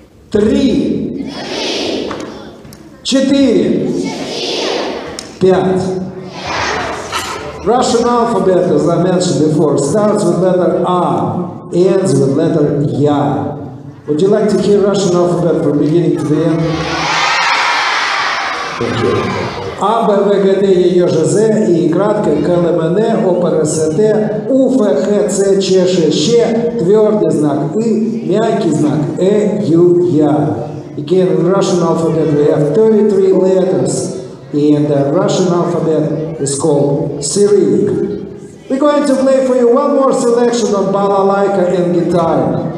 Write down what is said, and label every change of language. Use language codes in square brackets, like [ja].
[ru] Три. Четыре. Пять. [en] Russian alphabet, as I mentioned before, starts with letter A, ends with letter Ya. Would you like to hear Russian alphabet from beginning to the end? Thank you. [ru] А, Б, В, Г, Д, Е, Ё, Ж, З, И, кратко, К, Л, М, Н, О, П, Р, С, Т, У, Ф, Х, Ц, Ч, Ш, Щ, твердый знак, И, мягкий знак, Э, Ю, Я. [en] Again, in Russian alphabet we have 33 letters, and the Russian alphabet is called Cyrillic. We're going to play for you one more selection of balalaika and guitar.